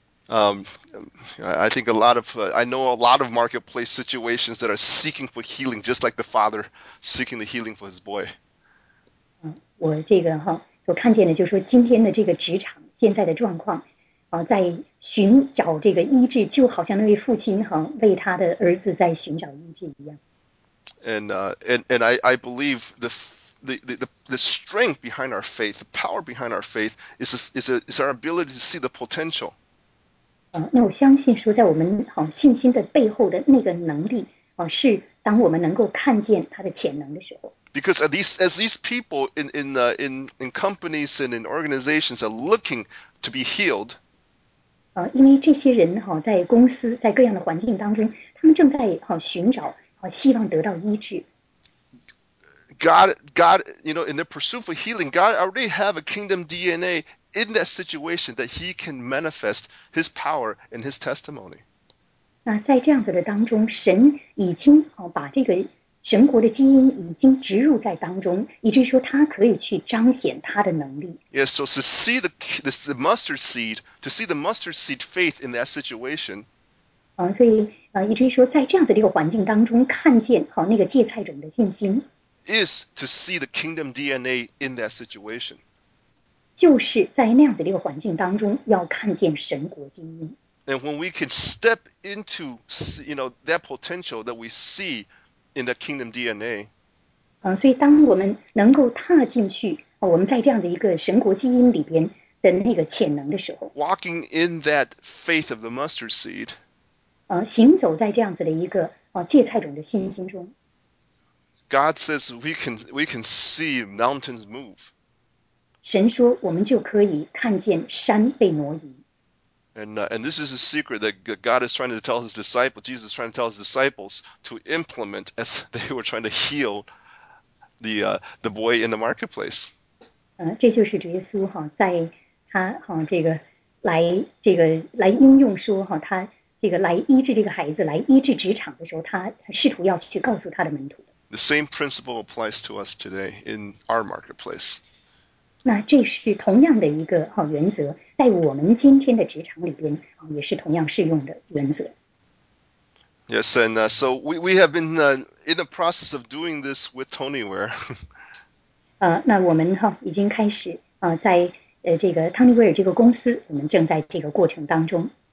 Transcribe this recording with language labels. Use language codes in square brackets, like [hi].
[en] I think a lot of I know a lot of marketplace situations that are seeking for healing, just like the father seeking the healing for his boy. [zh] 我这个我看见的就是说今天的这个职场现在的状况。在寻找这个医治，就好像那位父亲为他的儿子在寻找医治一样。 [en] And I believe the strength behind our faith, the power behind our faith is our ability to see the potential. [zh] 那我相信说，在我们信心的背后的那个能力是当我们能够看见他的潜能的时候。 [en] Because as these people in companies and in organizations are looking to be healed. [zh] 因为这些人在公司在各样的环境当中他们正在寻找希望得到医治。 [en] God, you know, in their pursuit for healing, God already have a kingdom DNA in that situation that he can manifest his power and his testimony. [zh] 那在这样子的当中神已经把这个神国的基因已经植入在当中，以至于说他可以去彰显他的能力。 [en] Yes, so to see the mustard seed, to see the mustard seed faith in that situation. [zh] 所以以至于说在这样的这个环境当中看见那个芥菜种的信心。 [en] Is to see the kingdom DNA in that situation. [zh] 就是在那样的这个环境当中要看见神国基因。 [en] And when we can step into, you know, that potential that we see. In the kingdom DNA. [zh] 所以当我们能够踏进去，我们在这样的一个神国基因里边的那个潜能的时候 [en] ，Walking in that faith of the mustard seed. [zh] 行走在这样子的一个芥菜种的信心中。 [en] God says we can see mountains move. [zh] 神说我们就可以看见山被挪移。 [en] And this is a secret that God is trying to tell his disciples, Jesus is trying to tell his disciples to implement as they were trying to heal the boy in the marketplace. [zh] 这就是主耶稣在他来应用说他这个来医治这个孩子来医治职场的时候他试图要去告诉他的门徒。 [en] The same principle applies to us today in our marketplace. [zh] 那这是同样的一个原则，在我们今天的职场里边也是同样适用的原则。 [en] Yes, and so we have been in the process of doing this with Tony Ware. [zh] 那我们哈已经开始在这个汤尼威尔这个公司，我们正在这个过程当中。